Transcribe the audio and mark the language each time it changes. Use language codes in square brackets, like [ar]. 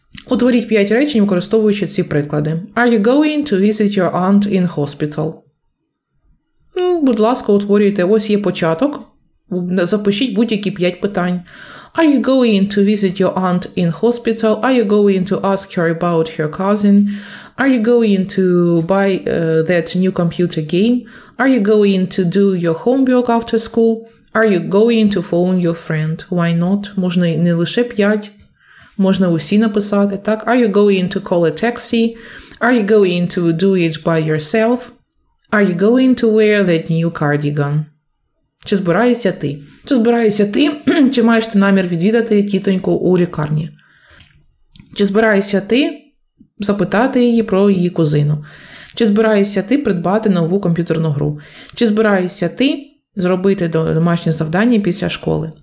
[uk] Утворіть 5 речень, використовуючи ці приклади. [en] Are you going to visit your aunt in hospital? [uk] Будь ласка, утворюйте. Ось є початок. Запишіть будь-які 5 питань. [en] Are you going to visit your aunt in hospital? Are you going to ask her about her cousin? Are you going to buy that new computer game? Are you going to do your homework after school? Are you going to phone your friend? Why not? Можна не лише 5. Можна усі написати, так? Are you going to call a taxi? Are you going to do it by yourself? Are you going to wear that new cardigan? [uk] Чи збираєшся ти? Чи збираєшся ти, чи маєш ти намір відвідати тітоньку у лікарні? Чи збираєшся ти запитати її про її кузину? Чи збираєшся ти придбати нову комп'ютерну гру? Чи збираєшся ти зробити домашнє завдання після школи?